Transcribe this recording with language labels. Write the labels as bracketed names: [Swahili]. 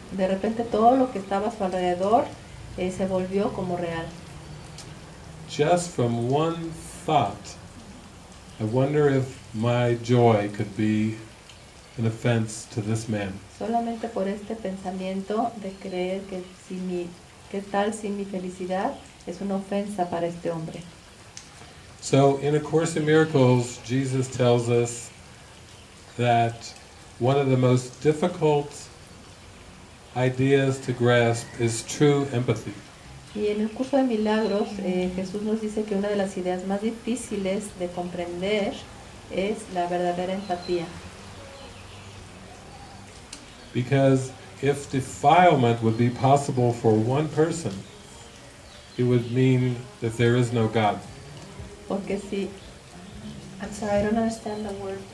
[Spanish] De repente, todo lo que estaba a su alrededor se volvió como real. [English] Just from one thought, I wonder if my joy could be an offense to this man. [Spanish] Solamente por este pensamiento de creer que si mi qué tal si mi felicidad es una ofensa para este hombre. [English] So in A Course in Miracles, Jesus tells us that one of the most difficult ideas to grasp is true empathy. [Spanish] Y en el curso de milagros, Jesús nos dice que una de las ideas más difíciles de comprender es la verdadera empatía. [English] Because if defilement would be possible for one person, it would mean that there is no God. [Spanish] Porque si, [English] I'm sorry, I don't understand the word.